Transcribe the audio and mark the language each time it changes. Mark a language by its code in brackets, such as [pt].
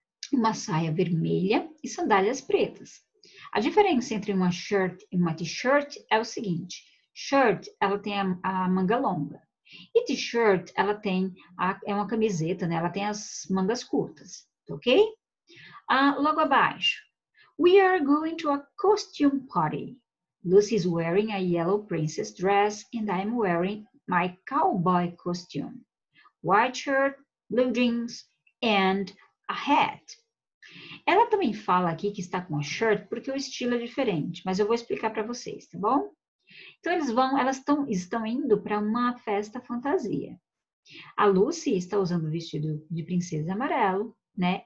[pt] Uma saia vermelha e sandálias pretas. A diferença entre uma shirt e uma t-shirt é o seguinte, shirt, ela tem a manga longa. E t-shirt, ela tem, é uma camiseta, né, ela tem as mangas curtas, ok? Logo abaixo. [en] We are going to a costume party. Lucy is wearing a yellow princess dress and I'm wearing my cowboy costume. White shirt, blue jeans and a hat. [pt] Ela também fala aqui que está com a shirt porque o estilo é diferente, mas eu vou explicar para vocês, tá bom? Então eles vão, elas estão indo para uma festa fantasia. A Lucy está usando o vestido de princesa amarelo, né?